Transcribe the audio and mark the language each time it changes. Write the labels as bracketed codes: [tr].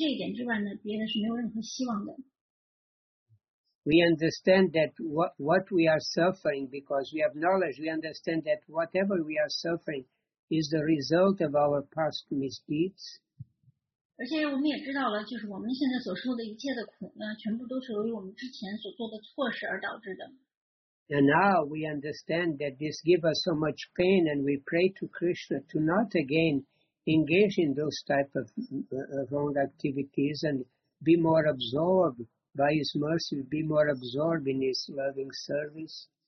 [zh] 那么当人遇到困境的时候呢，这是让我们变得更加的认真的时候，而且呢，也是让我们变得自省的时候，让我们真正的去警醒我们现在所处在的这种处境，然后呢，让自己要更深的去意识到我们要更好的去服务Guru、服务Vaishnava，然后呢，才因为除了这一点之外呢，别的是没有任何希望的。 [en] We understand that what we are suffering because we have knowledge, we understand that whatever we are suffering is the result of our past misdeeds. [zh] 而且我们也知道了，就是我们现在所受的一切的苦呢，全部都是由于我们之前所做的错事而导致的。 [en] And now we understand that this gives us so much pain and we pray to Krishna to not again engage in those type of wrong activities and be more absorbed by His mercy, be more absorbed in His loving service.